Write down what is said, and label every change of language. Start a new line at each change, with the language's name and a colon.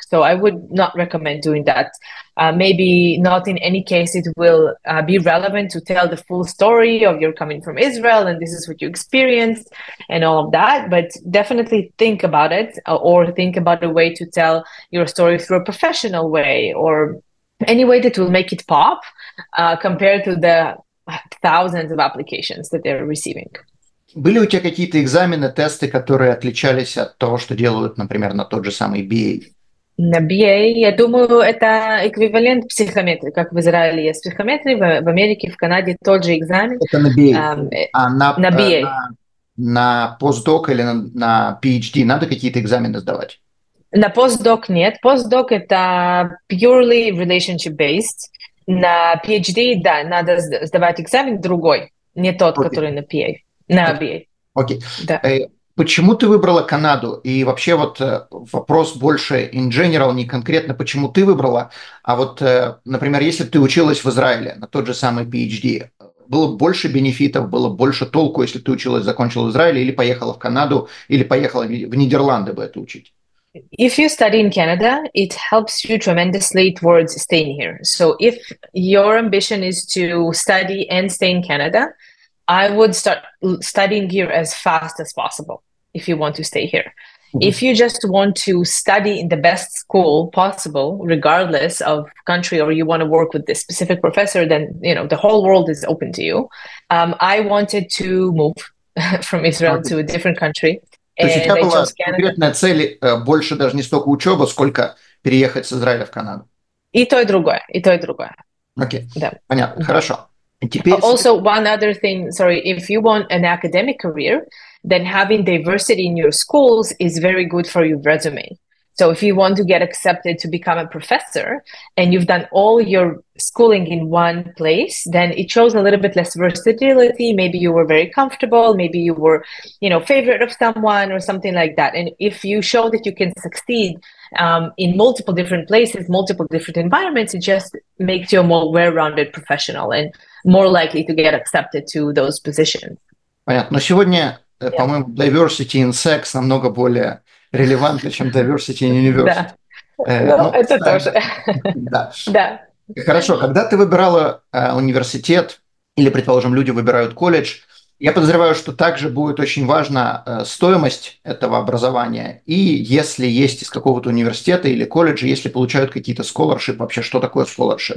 English: So I would not recommend doing that. Maybe not in any case it will be relevant to tell the full story of you're coming from Israel and this is what you experienced and all of that. But definitely think about it or think about a way to tell your story through a professional way or any way that will make it pop compared to the thousands of applications that they're receiving.
Russian: Были у тебя какие-то экзамены, тесты, которые отличались от того, что делают, например, на тот же самый BA? На BA, я думаю, это эквивалент психометрии, как в Израиле есть психометрия, в Америке, в Канаде тот же экзамен. Это на BA. На BA. На постдок или на PhD надо какие-то экзамены сдавать? На постдок нет. Постдок – это
English: purely relationship-based.
Russian: На PhD, да, надо сдавать экзамен другой, не тот, okay. который на PA. На BA. Окей. Да. Почему ты выбрала Канаду? И вообще вот вопрос больше
English: in general,
Russian: не конкретно, почему ты выбрала, а вот, например, если ты училась в Израиле на тот же самый PhD, было больше бенефитов, было больше толку, если ты училась, закончила в Израиле или поехала в Канаду, или поехала в Нидерланды бы это учить?
English: If you study in Canada, it helps you tremendously towards staying here. So if your ambition is to study and stay in Canada, I would start studying here as fast as possible if you want to stay here. Mm-hmm. If you just want to study in the best school possible, regardless of country, or you want to work with this specific professor, then, you know, the whole world is open to you. I wanted to move from Israel to a different country.
Russian: То есть у тебя была конкретная цель больше даже не столько учеба, сколько переехать с Израиля в Канаду. И то, и другое, и то, и другое. Окей, да. Понятно, да. Хорошо. Теперь...
English: Also, one other thing, sorry, if you want an academic career, then having diversity in your schools is very good for your resume. So if you want to get accepted to become a professor and you've done all your schooling in one place, then it shows a little bit less versatility. Maybe you were very comfortable. Maybe you were, you know, favorite of someone or something like that. And if you show that you can succeed in multiple different places, multiple different environments, it just makes you a more well-rounded professional and more likely to get accepted to those positions.
Russian: Понятно. Но сегодня,
English: yeah.
Russian: по-моему,
English: diversity in sex
Russian: намного более... релевантнее, чем
English: diversity in university.
Russian: Да, это тоже. Да. Да. Хорошо, когда ты выбирала университет, или, предположим, люди выбирают колледж, я подозреваю, что также будет очень важна стоимость этого образования, и если есть из какого-то университета или колледжа, если получают какие-то scholarship, вообще, что такое scholarship?